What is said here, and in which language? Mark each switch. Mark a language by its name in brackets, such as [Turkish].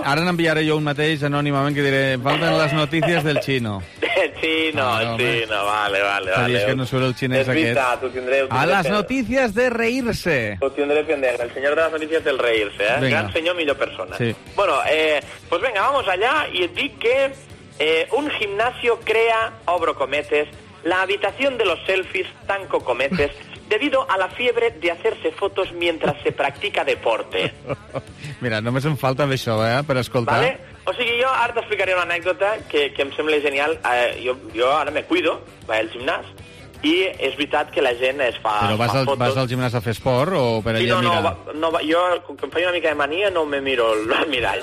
[Catalan] Ara n'enviaré jo un mateix anònimament que diré, falten les notícies del xino. Del xino, vale. Sabies que no surt el xinès vista, aquest. Ho tindré. A les notícies de reírse. Ho tindré pendent, el senyor de les notícies del reírse, eh? Venga. Gran senyor, millor persona. Sí. [Spanish] Bueno, pues venga, vamos allá y [Catalan] et dic que... [Spanish] un gimnasio crea, [Catalan] obro cometes, [Spanish] la habitación de los selfies, [Catalan] tanco cometes, [Spanish] debido a la fiebre de hacerse fotos mientras se practica deporte. [Catalan] Mira, només em falta d'això, per escoltar. Vale? O sigui, jo ara t'explicaré una anècdota que em sembla genial. Jo ara me cuido, vaig al gimnàs, i és veritat que la gent es fa fotos. Però vas al gimnàs a fer esport o per allà a mirar? Jo, com que em faig una mica de mania, no me miro el mirall.